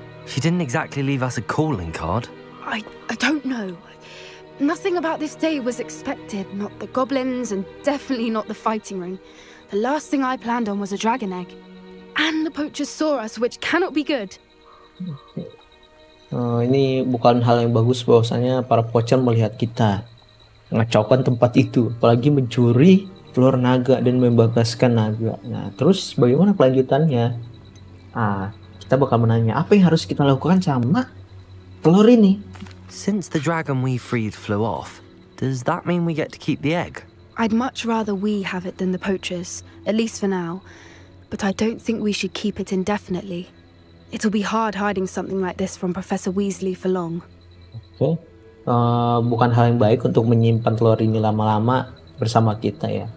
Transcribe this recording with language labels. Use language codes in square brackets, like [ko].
[en] She didn't exactly leave us a calling card. I don't know. Nothing about this day was expected, not the goblins and definitely not the fighting ring. The last thing I planned on was a dragon egg. And the poachers saw us, which cannot be good. [id] Ini bukan hal yang bagus bahwasanya para poacher melihat kita mengacaukan tempat itu, apalagi mencuri telur naga dan membebaskan naga. Nah, terus bagaimana kelanjutannya? Kita bakal menanya apa yang harus kita lakukan sama telur ini. [en] Since the dragon we freed flew off, does that mean we get to keep the egg? I'd much rather we have it than the poachers, at least for now. But I don't think we should keep it indefinitely. It'll be hard hiding something like this from Professor Weasley for long. [id] Oke. Bukan hal yang baik untuk menyimpan telur ini lama-lama bersama kita ya.